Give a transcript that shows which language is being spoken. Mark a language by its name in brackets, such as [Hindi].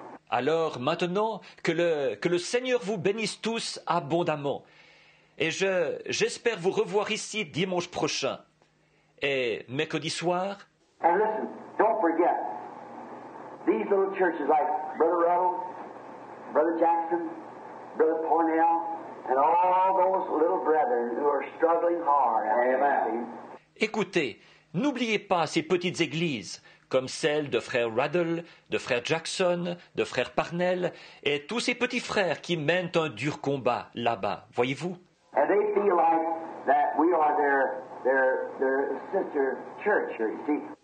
[French] Alors maintenant, que le Seigneur vous bénisse tous abondamment. Et j'espère vous revoir ici dimanche prochain. Et mercredi soir. [English] And listen, don't forget, these little churches like Brother Rowe, Brother Jackson, Brother Pornell, and all those little brethren who are struggling hard. Amen. [French] Écoutez, n'oubliez pas ces petites églises, comme celle de frère Raddle, de frère Jackson, de frère Parnell, et tous ces petits frères qui mènent un dur combat là-bas, voyez-vous? [English] And they feel like that we are their sister church, you see?